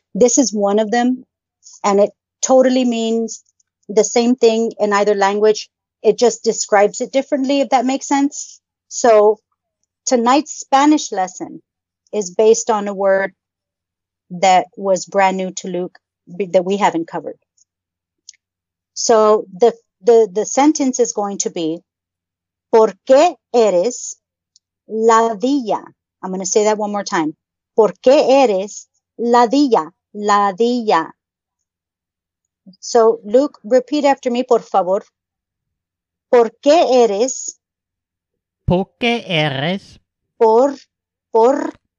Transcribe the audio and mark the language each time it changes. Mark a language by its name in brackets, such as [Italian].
[English] This is one of them. And it totally means the same thing in either language. It just describes it differently, if that makes sense. So, tonight's Spanish lesson is based on a word that was brand new to Luke that we haven't covered. So the sentence is going to be, [Spanish] ¿Por qué eres ladilla? [English] I'm going to say that one more time. [Spanish] ¿Por qué eres ladilla? Ladilla. [English] So Luke, repeat after me, [Spanish] por favor. ¿Por qué eres? ¿Por qué eres? Por